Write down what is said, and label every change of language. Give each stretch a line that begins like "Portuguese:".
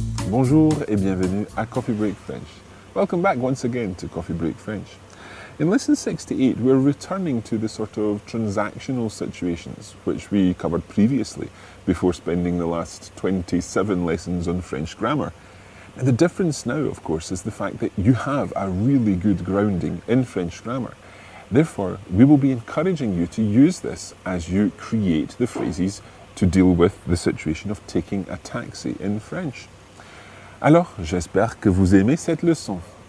French: Bonjour et bienvenue à Coffee Break French.
English: Welcome back once again to Coffee Break French. In lesson 68, we're returning to the sort of transactional situations which we covered previously before spending the last 27 lessons on French grammar. And the difference now, of course, is the fact that you have a really good grounding in French grammar. Therefore, we will be encouraging you to use this as you create the phrases to deal with the situation of taking a taxi in French.
French: Alors, j'espère que vous aimez cette leçon.